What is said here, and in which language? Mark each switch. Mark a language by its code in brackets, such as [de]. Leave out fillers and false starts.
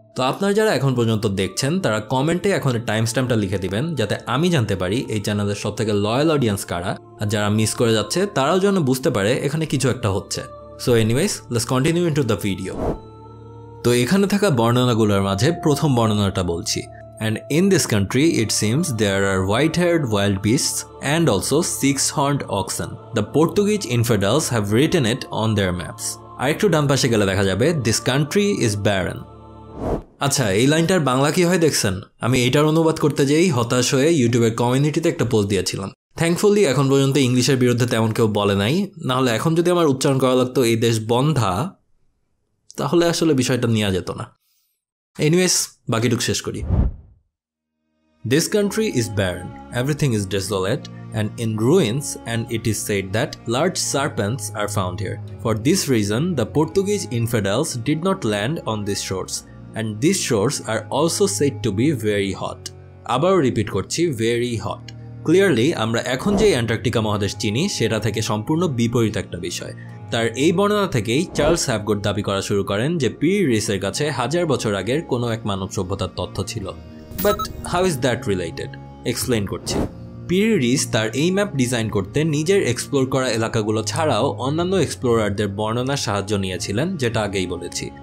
[bn] তো আপনারা যারা এখন পর্যন্ত দেখছেন তারা কমেন্টে এখন টাইম স্ট্যাম্পটা লিখে দিবেন, যাতে আমি জানতে পারি এই চ্যানেলের সবথেকে লয়াল অডিয়েন্স কারা, আর যারা মিস করে যাচ্ছে তারাও যেন বুঝতে পারে এখানে কিছু একটা হচ্ছে। [en] So anyways, let's continue in to the video. [bn] তো এখানে থাকা বর্ণনাগুলোর মাঝে প্রথম বর্ণনাটা বলছি। [en] And in this country, it seems there are white-haired wild beasts and also six-horned oxen. The Portuguese infidels have written it on their maps. [bn] আরেকটু ডান পাশে গেলে দেখা যাবে, [en] this country is barren. [bn] আচ্ছা, এই লাইনটার বাংলা কি হয় দেখছেন? আমি এটার অনুবাদ করতে যেয়েই হতাশ হয়ে ইউটিউবের কমিউনিটিতে একটা পোস্ট দিয়েছিলাম। থ্যাঙ্কফুলি এখন পর্যন্ত ইংলিশের বিরুদ্ধে তেমন কেউ বলে নাই, নাহলে এখন যদি আমার উচ্চারণ করা লাগতো এই দেশ বন্ধা, তাহলে আসলে বিষয়টা নেওয়া যেত না। এনিওয়েজ, বাকিটুকু শেষ করি। [en] This country is barren, everything is desolate and in ruins, and it is said that large serpents are found here. For this reason, the Portuguese infidels did not land on these shores, and these shores are also said to be very hot. [bn] আবার repeat করছি, [en] very hot. Clearly, [bn] আমরা এখন যে Antarctica মহাদেশ চিনি সেটা থেকে সম্পূর্ণ বিপরীত একটা বিষয়। তার এই বর্ণনা থেকেই চার্লস হ্যাপগুড দাবি করা শুরু করেন যে পিরি রেইসের কাছে হাজার বছর আগের কোনো এক মানব সভ্যতার তথ্য ছিল। [en] But how is that related? [bn] Explain করছি। পিরি রেইস তার এই ম্যাপ ডিজাইন করতে নিজের এক্সপ্লোর করা এলাকাগুলো ছাড়াও অন্যান্য এক্সপ্লোরারদের বর্ণনার সাহায্য নিয়েছিলেন, যেটা আগেই বলেছি।